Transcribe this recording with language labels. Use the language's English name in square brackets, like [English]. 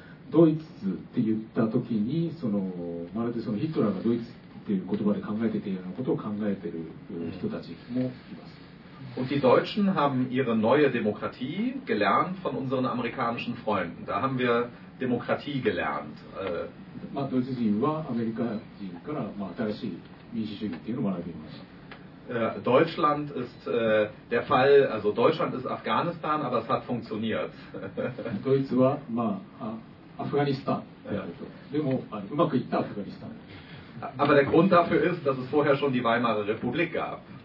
[Japanese] ドイツって言った時にそのまるでそのヒトラーがドイツっていう言葉で考えてているようなことを考えている人たちもいます。 [German] Und die Deutschen haben ihre neue Demokratie gelernt von unseren amerikanischen Freunden. Da haben wir Demokratie gelernt. [Japanese] まあ、ドイツ人はアメリカ人から、まあ、新しい民主主義っていうのを学びました。 [German] Deutschland ist der Fall, also Deutschland ist Afghanistan, aber es hat funktioniert. [Japanese] ドイツは、まあ、アフガニスタンであると。でも、うまくいったアフガニスタン。 [German] Aber der Grund dafür ist, dass es vorher schon die Weimarer Republik gab.